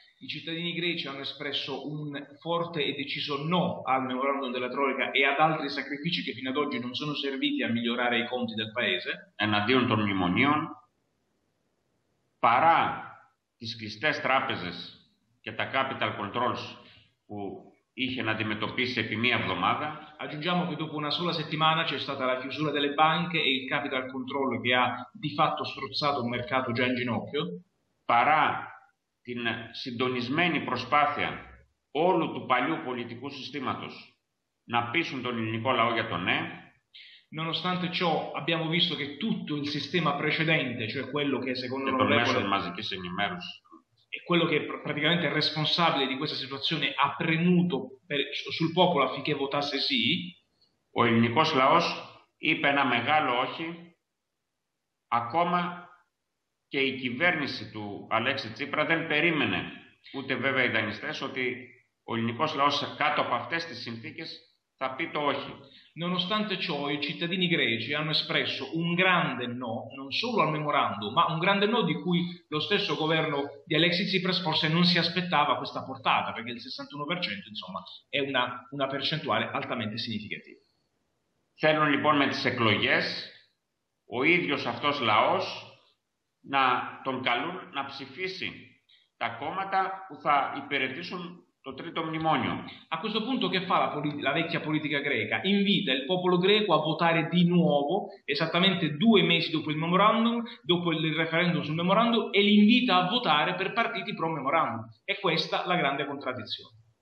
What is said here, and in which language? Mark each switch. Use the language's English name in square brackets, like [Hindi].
[Italian] I cittadini greci hanno espresso un forte e deciso no al memorandum della Troica e ad altri sacrifici che fino ad oggi non sono serviti a migliorare i conti del paese. [Greek] Εναντίον των μνημονίων, παρά τις κλειστές τράπεζες και τα capital controls που είχε να αντιμετωπίσει επί μία εβδομάδα. [Italian] Aggiungiamo che dopo una sola settimana c'è stata la chiusura delle banche e il capital control che ha di fatto strozzato un mercato già in ginocchio. [Greek] Παρά την συντονισμένη προσπάθεια όλου του παλιού πολιτικού συστήματος να πείσουν τον ελληνικό λαό για το ναι. [Italian] Nonostante ciò abbiamo visto che tutto il sistema precedente, cioè quello che secondo noi è quello [Greek] μαζική ενημέρωση. [Italian] E quello che praticamente è responsabile di questa situazione ha premuto sul popolo affinché votasse sì. [Greek] Ο ελληνικός λαός είπε ένα μεγάλο όχι ακόμα. Και η κυβέρνηση του Αλέξη Τσίπρα δεν περίμενε, ούτε βέβαια οι δανειστές, ότι ο ελληνικός λαός κάτω από αυτές τις συνθήκες θα πει το όχι. [Italian] Nonostante ciò, i cittadini greci hanno espresso un grande no, non solo al memorandum, ma un grande no di cui lo stesso governo di Alexis Tsipras forse non si aspettava questa portata, perché il 61% insomma è una percentuale altamente significativa. [Greek] Θέλουν λοιπόν με τις εκλογές ο ίδιος αυτός λαός να τον καλούν να ψηφίσει τα κόμματα που θα υπηρετήσουν το τρίτο μνημόνιο. [Italian] A questo punto che fa la vecchia politica greca? Invita il popolo greco a votare di nuovo, esattamente 2 mesi dopo il memorandum, dopo il referendum sul memorandum, e li invita a votare per partiti pro-memorandum. È questa la grande contraddizione.